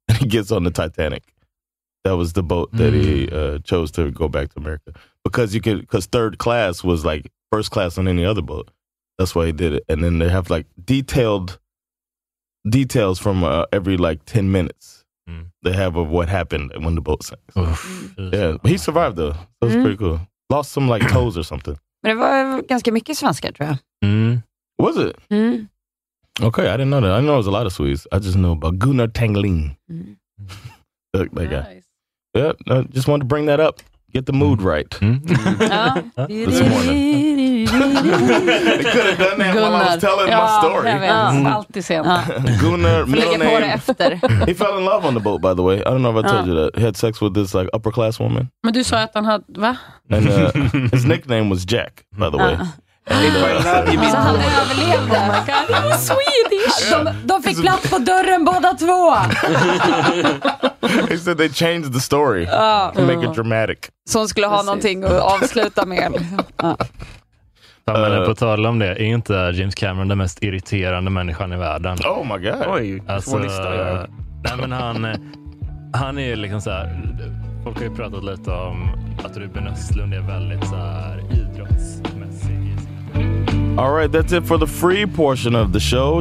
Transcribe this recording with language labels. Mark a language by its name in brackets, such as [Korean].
[English] And he gets on the Titanic. That was the boat that he chose to go back to America because third class was like first class on any other boat. That's why he did it. And then they have like details from every like 10 minutes they have of what happened when the boat sank. Yeah, he survived though. That was pretty cool. Lost some like toes or something. [Swedish] Men det var ganska mycket svenska, tror jag. [English] Was it? Okay, I didn't know that. I didn't know it was a lot of Swedes. I just know about Gunnar Tangling. That guy. Nice. Yeah, I just wanted to bring that up. Get the mood right. This morning. I could have done that Gunnar. While I was telling my story. Gunnar, middle name. He fell in love on the boat, by the way. I don't know if I told you that. He had sex with this like upper class woman. [Swedish] Men du sa att han hade, va? [English] And his nickname was Jack, by the way. [Swedish] Så han överlevde. Det var Swedish. De fick plats på dörren båda två. [English] He said they changed the story to make it dramatic. [Swedish] Så hon skulle ha någonting att avsluta med. Men på tal om det, är inte James Cameron den mest irriterande människan i världen? [English] Oh my god. [Swedish] Oj, alltså, nej, men han är ju liksom så här. Folk har ju pratat lite om att Ruben Östlund är väldigt så här idrottsmässig. [English] All right, that's it for the free portion of the show.